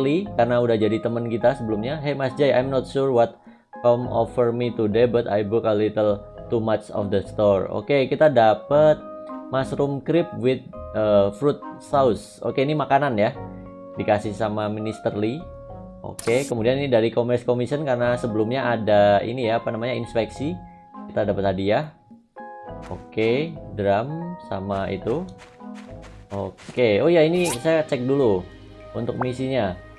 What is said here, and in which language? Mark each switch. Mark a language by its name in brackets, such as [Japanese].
[Indonesian] Lee, karena udah jadi teman kita sebelumnya. [English] Hey Mas Jay, I'm not sure what come over me today, but I book a little too much of the store. [Indonesian] Oke, kita dapet [English] mushroom crepe with fruit sauce. [Indonesian] Oke, ini makanan ya, dikasih sama Mr. Lee. Oke, kemudian ini dari Commerce Commission, karena sebelumnya ada ini ya, apa namanya, inspeksi, kita dapat hadiah. Oke, drum sama itu. Oke, oh ya, ini saya cek dulu untuk misinya.